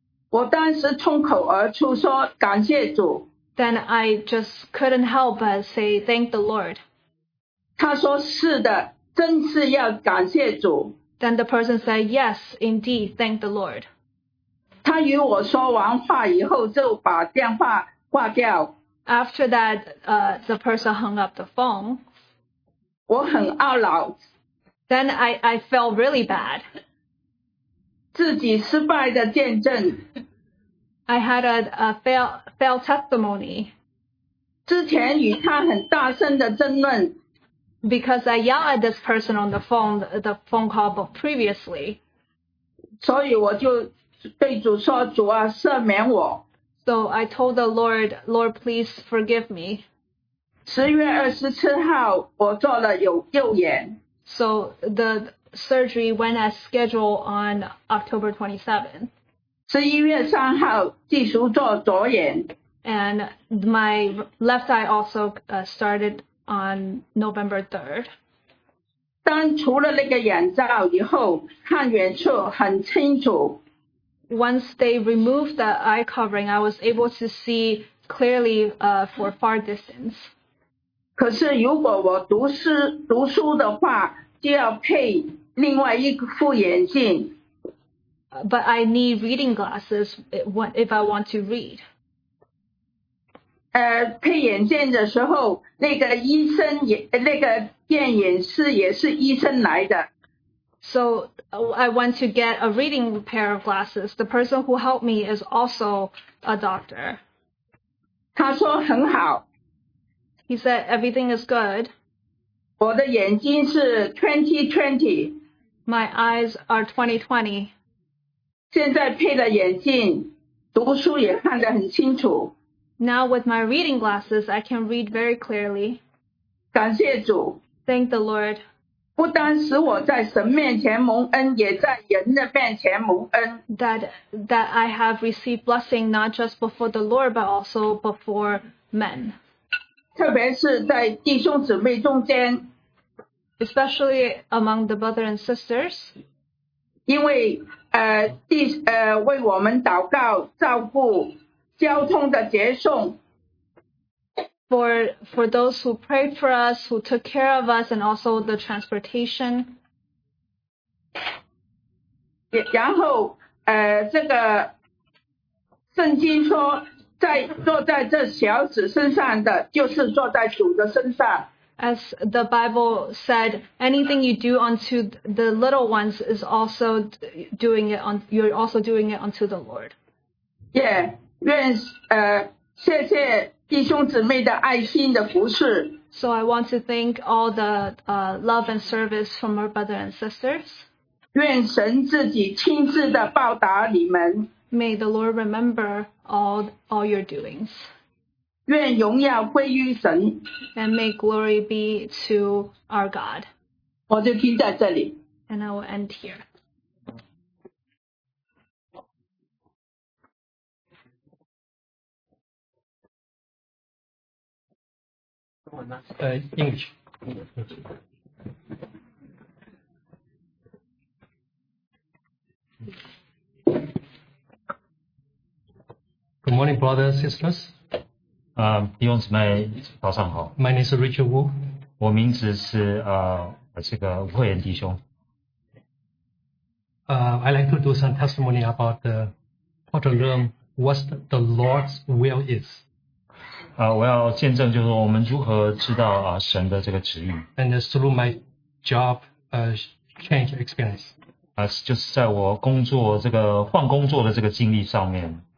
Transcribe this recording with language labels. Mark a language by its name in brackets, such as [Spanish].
[Chinese] 我当时冲口而出说感谢主。 [English] Then I just couldn't help but say thank the Lord. [Chinese] 他说是的，真是要感谢主。 [English] Then the person said, yes, indeed, thank the Lord. [Chinese] 他与我说完话以后就把电话挂掉。 [English] After that, the person hung up the phone. [Chinese] 我很懊恼。 [English] Then I felt really bad. [Chinese] 自己失败的见证。 [English] I had a failed testimony. [Chinese] 之前与他很大声的争论。 [English] Because I yelled at this person on the phone call previously. [Chinese] 所以我就对主说，主啊，赦免我。 [English] So I told the Lord, Lord, please forgive me. [Chinese] 10月27号，我做了有右眼。 [English] So the surgery went as scheduled on October [Chinese] 27th. 11月3号，继续做左眼。 [English] And my left eye also started on November 3rd. [Chinese] 当除了那个眼罩以后，看远处很清楚。 [English] Once they removed the eye covering, I was able to see clearly for far distance. [Chinese] 可是如果我读书的话，就要配另外一副眼镜。 [English] But I need reading glasses if I want to read. [Chinese] 配眼镜的时候，那个医生也，那个电眼师也是医生来的。 [English] So I went to get a reading pair of glasses. The person who helped me is also a doctor. [Chinese] 他说很好。 [English] He said everything is good. [Chinese] 我的眼睛是20/20。 [English] My eyes are 20/20. [Chinese] 现在配了眼镜，读书也看得很清楚。 [English] Now with my reading glasses, I can read very clearly. [Chinese] 感谢主。 [English] Thank the Lord. [Chinese] 不单使我在神面前蒙恩，也在人的面前蒙恩。 [English] That I have received blessing not just before the Lord, but also before men. [Chinese] 特别是在弟兄姊妹中间。 [English] Especially among the brothers and sisters. [Chinese] 因为为我们祷告、照顾、交通的接送。 [English] For those who prayed for us, who took care of us, and also the transportation. [Chinese] 然后这个圣经说在坐在这小子身上的就是坐在主的身上。 [English] As the Bible said, anything you do unto the little ones is also doing it on, you're also doing it unto the Lord. [Chinese] Yeah, 愿谢谢弟兄姊妹的爱心的服侍。 [English] So I want to thank all the love and service from our brothers and sisters. [Chinese] 愿神自己亲自的报答你们。 [English] May the Lord remember all your doings. [Chinese] 愿荣耀归于神。 [English] And may glory be to our God. [Chinese] 我就停在这里。 [English] And I will end here. English. Good morning, brothers and sisters. [Chinese] 弟兄姊妹，早上好。 [English] My name is Richard Wu. [Chinese] 我名字是这个吴慧言弟兄。 [English] I like to do some testimony about how to learn what the Lord's will is. [Chinese] 我要见证就是我们如何知道神的这个旨意。 [English] And through my job change experience. [Chinese] 就是在我工作这个换工作的这个经历上面。